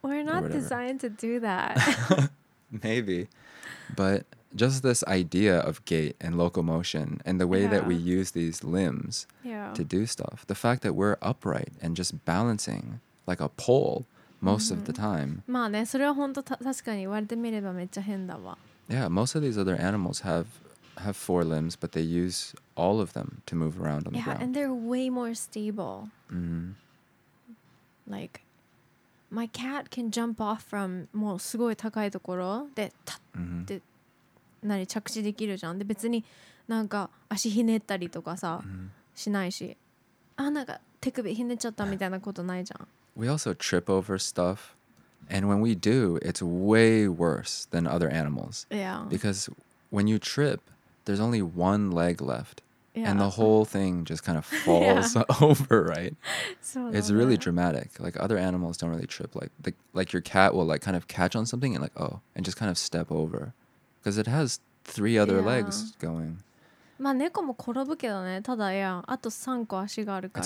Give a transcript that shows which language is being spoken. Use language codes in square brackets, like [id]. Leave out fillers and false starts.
[en] We're not designed to do that. Maybe. But just this idea of gait and locomotion and the way that we use these limbs to do stuff. The fact that we're upright and just balancing like a pole most of the time. [ja] まあね、それは本当確かに言われてみればめっちゃ変だわ。 [en] Yeah, most of these other animals have... have four limbs, but they use all of them to move around on the ground. Yeah, and they're way more stable. Mm-hmm. Like, my cat can jump off from [ja] もうすごい高いところでタッて何着地できるじゃん。で別になんか足ひねったりとかさしないし、あなんか手首ひねっちゃったみたいなことないじゃん。 [en] We also trip over stuff, and when we do, it's way worse than other animals. Yeah. Because when you trip, there's only one leg left. Yeah. And the whole thing just kind of falls over, right? It's really dramatic. Like other animals don't really trip. Like your cat will like kind of catch on something and like, oh, and just kind of step over. Because it has three other legs going. [ja] まあ猫も転ぶけどね。ただいや、あと3個足があるから。